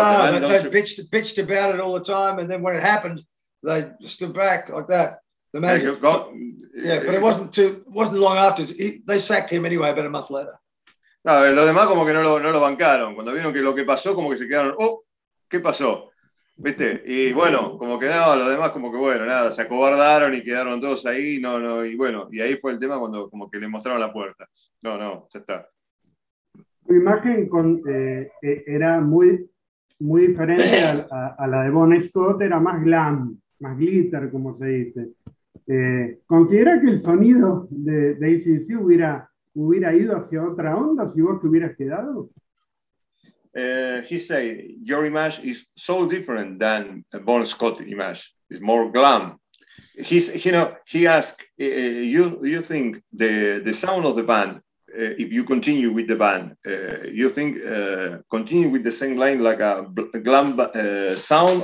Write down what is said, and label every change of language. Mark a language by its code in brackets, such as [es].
[en] Bitched about it all the time, and then when it happened, they stood back like that. The manager, it wasn't long after they sacked him anyway. About a month later. [es] No, los demás como que no lo bancaron cuando vieron que lo que pasó, como que se quedaron, oh, ¿qué pasó? ¿Viste? Y bueno, como que no, los demás como que bueno, nada, se acobardaron y quedaron todos ahí, no, y bueno, y ahí fue el tema cuando como que le mostraron la puerta. No, ya está. Tu imagen era muy, muy diferente a la de Bon Scott, era más glam, más glitter, como se dice. ¿Considera que el sonido de AC/DC hubiera ido hacia otra onda si vos te hubieras quedado? [en] He said, your image is so different than Bon Scott image. It's more glam. He asked, you think the sound of the band, if you continue with the band, you think continue with the same line like a glam sound?